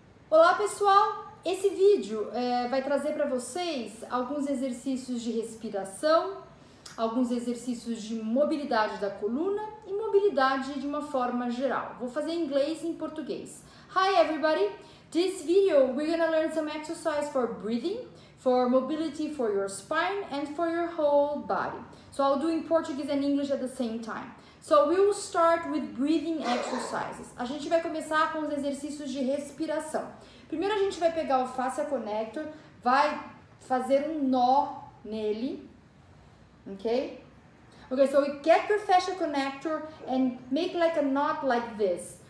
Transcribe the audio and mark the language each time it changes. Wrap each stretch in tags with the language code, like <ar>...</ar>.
<pt>Olá pessoal, esse vídeo vai trazer para vocês alguns exercícios de respiração, alguns exercícios de mobilidade da coluna e mobilidade de uma forma geral. Vou fazer em inglês e em português.</pt> <en>Hi everybody, this video we're gonna learn some exercise for breathing, for mobility for your spine and for your whole body. So I'll do in Portuguese and English at the same time. So we will start with breathing exercises.</en> <pt>A gente vai começar com os exercícios de respiração. Primeiro a gente vai pegar o fascia connector, vai fazer um nó nele.</pt> <en>Okay? Okay, so we get your fascia connector and make like a knot like this.</en>